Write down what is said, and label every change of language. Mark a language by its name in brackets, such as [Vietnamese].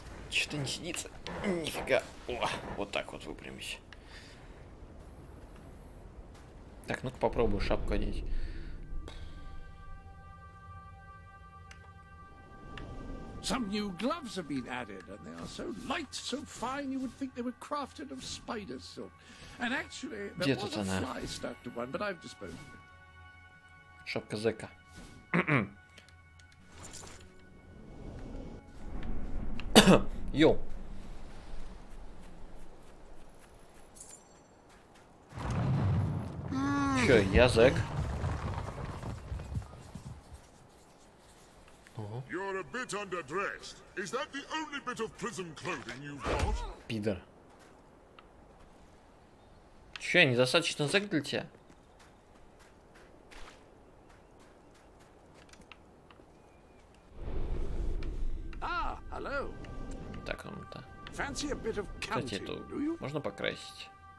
[Russian] Что-то не сидится. Нифига. О, вот так вот выпрямись. Так, ну-ка попробую шапку одеть. [English] Some new gloves have been added, and they are so light, so fine, you would think they were crafted of spider silk. And actually, there was a fly stuck to one, but I've disposed of it. [Russian] Шапка зэка. Йо. Чё, я зэк? [English] Underdressed. Is that the only bit of prison clothing you've got? [Russian] Пидор. Чё, я недостаточно зэк для тебя? [English] Hello. [Russian] Так вам-то. [English] Fancy a bit of county, [Russian] кстати, эту можно покрасить?